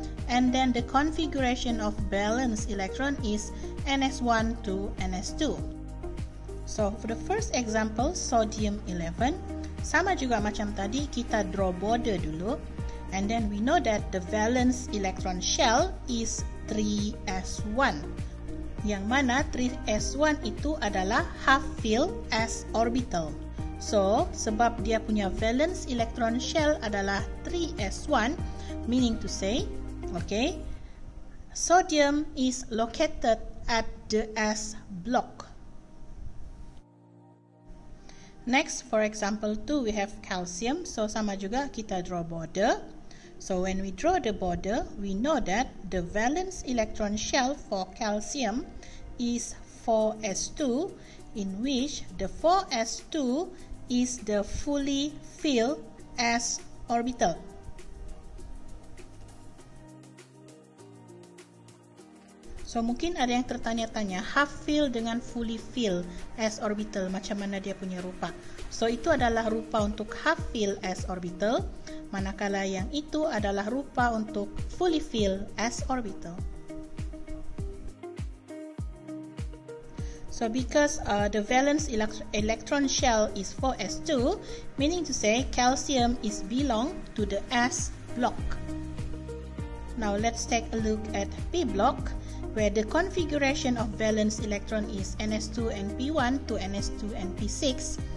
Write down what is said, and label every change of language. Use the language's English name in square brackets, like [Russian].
[English] And then the configuration of valence electron is NS1 to NS2. So for the first example, sodium 11. [Malay] Sama juga macam tadi, kita draw border dulu. [English] And then we know that the valence electron shell is 3s1. [Malay] Yang mana 3s1 itu adalah [English] half filled s orbital. So, [Malay] sebab dia punya [English] valence electron shell [Malay] adalah [English] 3s1, meaning to say, okay, sodium is located at the s block. Next, for example 2, we have calcium. So, [Malay] sama juga kita [English] draw border. So, when we draw the border, we know that the valence electron shell for calcium is 4s2, in which the 4s2 is the fully filled s orbital. [Malay] So, mungkin ada yang tertanya-tanya, [English] half filled [Malay] dengan [English] fully filled s orbital, [Malay] macam mana dia punya rupa? So, itu adalah rupa untuk [English] half filled s orbital, [Malay] manakala yang itu adalah rupa untuk [English] fully filled s orbital. So, because the valence electron shell is 4s2, meaning to say calcium is belong to the s block. Now, let's take a look at p block, where the configuration of valence electron is NS2 and P1 to NS2 and P6.